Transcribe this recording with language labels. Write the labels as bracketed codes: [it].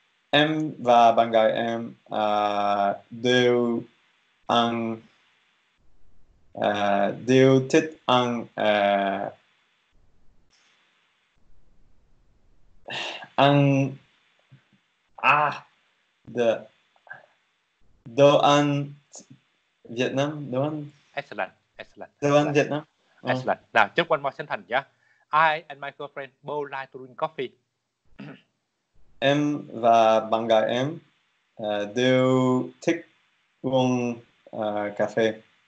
[vi] Em và bạn gái em đều ăn đều thích ăn ăn đồ ăn Việt Nam, đồ ăn [en] excellent. [vi] Đồ ăn Việt Nam. [en] Excellent. Now, just one more sentence, yeah. I and my girlfriend both like to drink coffee. [vi] Em và bạn gái em đều thích uống cà phê.